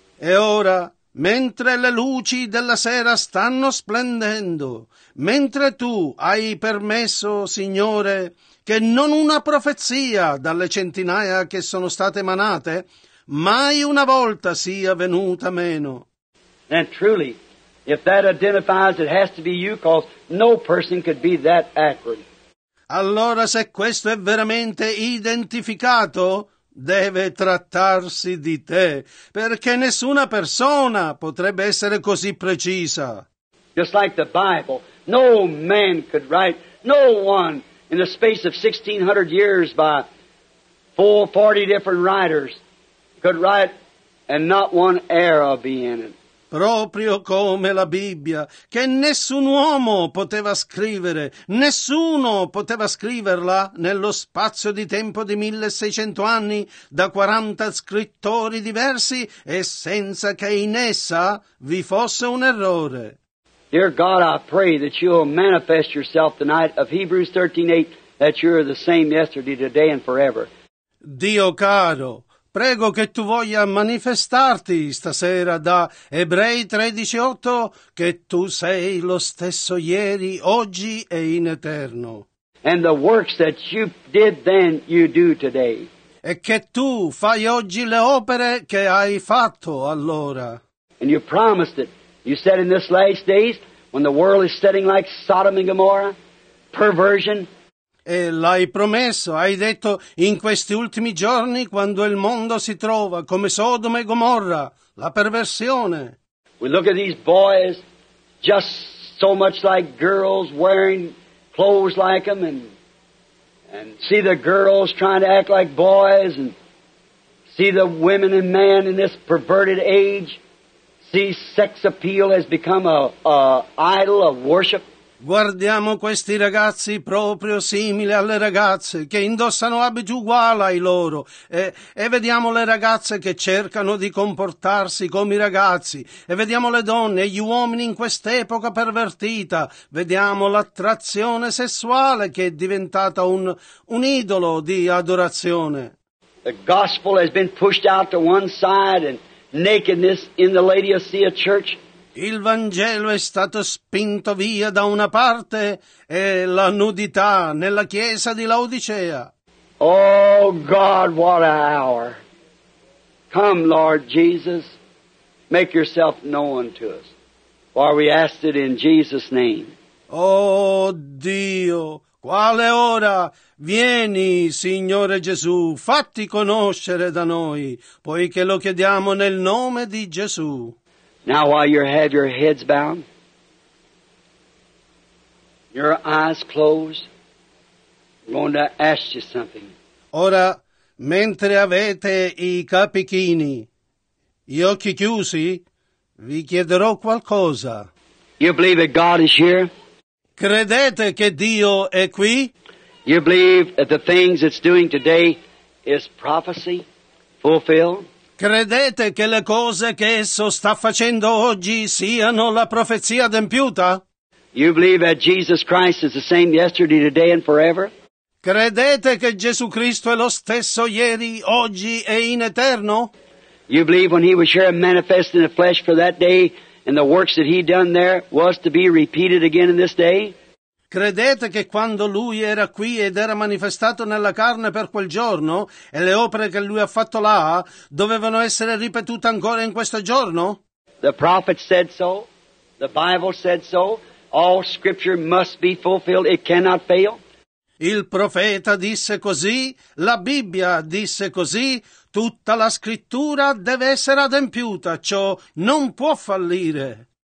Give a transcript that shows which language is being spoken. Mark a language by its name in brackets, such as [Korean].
[Italian] E ora, mentre le luci della sera stanno splendendo, mentre tu hai permesso, Signore, che non una profezia dalle centinaia che sono state emanate, mai una volta sia venuta meno. [English] And truly, if that identifies, it has to be you, because no person could be that accurate. [Italian] Allora, se questo è veramente identificato, deve trattarsi di te, perché nessuna persona potrebbe essere così precisa. [English] Just like the Bible, no man could write, no one in the space of 1,600 years by 40 different writers could write and not one error be in it. [Italian] Proprio come la Bibbia, che nessun uomo poteva scrivere, nessuno poteva scriverla nello spazio di tempo di 1,600 anni, da 40 scrittori diversi, e senza che in essa vi fosse un errore. [English] Dear God, I pray that you will manifest yourself tonight of Hebrews 13:8, that you are the same yesterday, today, and forever. [Italian] Dio caro, prego che tu voglia manifestarti stasera da Ebrei 13:8 che tu sei lo stesso ieri, oggi e in eterno. [English] And the works that you did then you do today. [Italian] e che tu fai oggi le opere che hai fatto allora. [English] And you promised it. You said in this last days, when the world is setting like Sodom and Gomorrah, perversion. [Italian] E l'hai promesso, hai detto, in questi ultimi giorni, quando il mondo si trova come Sodoma e Gomorra, la perversione. [English] We look at these boys, just so much like girls, wearing clothes like them, and see the girls trying to act like boys, and see the women and men in this perverted age, see sex appeal has become a idol of worship. [Italian] Guardiamo questi ragazzi proprio simili alle ragazze che indossano abiti uguali ai loro e vediamo le ragazze che cercano di comportarsi come i ragazzi e vediamo le donne e gli uomini in quest'epoca pervertita, vediamo l'attrazione sessuale che è diventata un idolo di adorazione. [English] The gospel has been pushed out to one side and nakedness in the Laodicea church. [Italian] Il Vangelo è stato spinto via da una parte e la nudità nella chiesa di Laodicea. [English] Oh God, what an hour! Come, Lord Jesus, make yourself known to us. For we asked it in Jesus' name. [Italian] Oh Dio, quale ora! Vieni, Signore Gesù, fatti conoscere da noi, poiché lo chiediamo nel nome di Gesù. [English] Now while you have your heads bowed, your eyes closed, I'm going to ask you something. [Italian] Ora, mentre avete i capi chini, gli occhi chiusi, vi chiederò qualcosa. [English] You believe that God is here? [Italian] Credete che Dio è qui? [English] You believe that the things it's doing today is prophecy fulfilled? [Italian] Credete che le cose che esso sta facendo oggi siano la profezia adempiuta? [English] You believe that Jesus Christ is the same yesterday, today and forever? [Italian] Credete che Gesù Cristo è lo stesso ieri, oggi e in eterno? [English] You believe when he was here manifest in the flesh for that day and the works that he done there was to be repeated again in this day? [Italian] Credete che quando lui era qui ed era manifestato nella carne per quel giorno e le opere che lui ha fatto là dovevano essere ripetute ancora in questo giorno? [English] The prophet said so, the Bible said so, all scripture must be fulfilled, it cannot fail. [Italian] Il profeta disse così, la Bibbia disse così, tutta la scrittura deve essere adempiuta, ciò non può fallire.